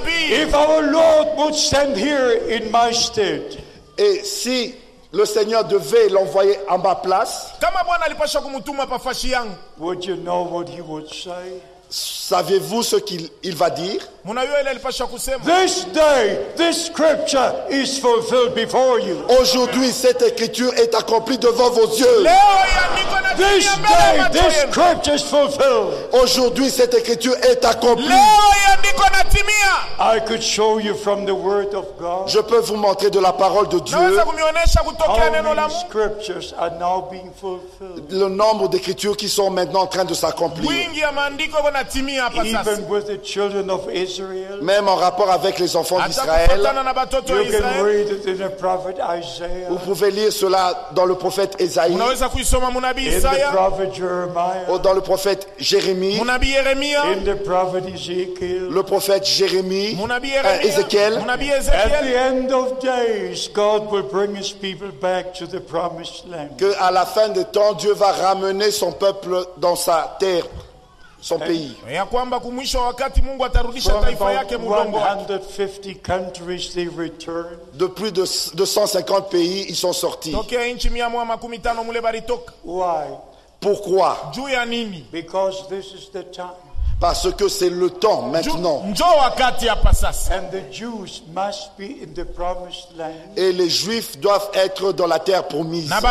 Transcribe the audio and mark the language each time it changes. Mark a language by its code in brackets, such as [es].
[en] If our Lord would send here in my stead. [fr] Et si le Seigneur devait l'envoyer en ma place, [en] would you know what he would say? [fr] Savez-vous ce qu'il va dire? [en] This day, this scripture is fulfilled before you. [fr] Aujourd'hui, cette écriture est accomplie devant vos yeux. [en] This day, this scripture is fulfilled. [fr] Aujourd'hui, cette écriture est accomplie. [en] I could show you from the word of God. [fr] Je peux vous montrer de la parole de Dieu. [en] All scriptures are now being fulfilled. [fr] Le nombre d'écritures qui sont maintenant en train de s'accomplir. [en] Even with the children of Israel, [fr] même en rapport avec les enfants d'Israël, [en] you can read it in the prophet Isaiah. [fr] Vous pouvez lire cela dans le prophète Esaïe, [en] in the prophet Jeremiah, [fr] ou dans le prophète Jérémie, [en] in the prophet Ezekiel, [fr] le prophète Jérémie, Ezekiel. [en] At the end of days, God will bring his people back to the promised land. [fr] Que à la fin des temps, Dieu va ramener son peuple dans sa terre. Son pays. [en] From about 150 countries, they return. [fr] De plus de 150 pays, ils sont sortis. [en] Why? [fr] Pourquoi? [en] Because this is the time. [fr] Parce que c'est le temps maintenant. [en] And the Jews must be in the promised land. [fr] Et les Juifs doivent être dans la terre promise.